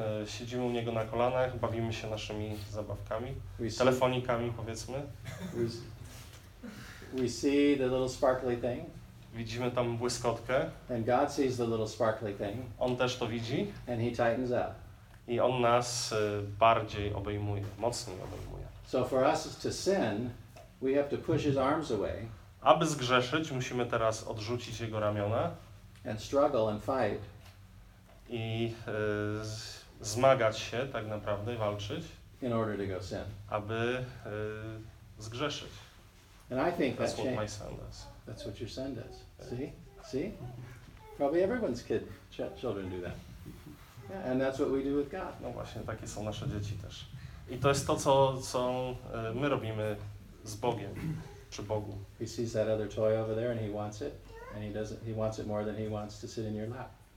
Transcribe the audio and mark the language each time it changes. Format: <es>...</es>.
<pl>Siedzimy u Niego na kolanach, bawimy się naszymi zabawkami, telefonikami powiedzmy.</pl> <en>We see the little sparkly thing.</en> <pl>Widzimy tam błyskotkę.</pl> <en>And God sees the little sparkly thing.</en> <pl>On też to widzi.</pl> <en>And he tightens up.</en> <pl>I on nas bardziej obejmuje, mocniej obejmuje.</pl> <en>So for us to sin, we have to push his arms away.</en> <pl>Aby zgrzeszyć, musimy teraz odrzucić jego ramiona.</pl> <en>And struggle and fight.</en> <pl>I zmagać się tak naprawdę, walczyć.</pl> <en>In order to go sin.</en> <pl>Aby zgrzeszyć.</pl> <en>And I think that's what my son does. That's what your son does. See? See? Probably everyone's children do that. And that's what we do with God.</en> <pl>No właśnie, takie są nasze dzieci też. I to jest to, co my robimy z Bogiem, przy Bogu.</pl> <en>He sees that other toy over there and he wants it. And he wants it more than he wants to sit in your lap.</en>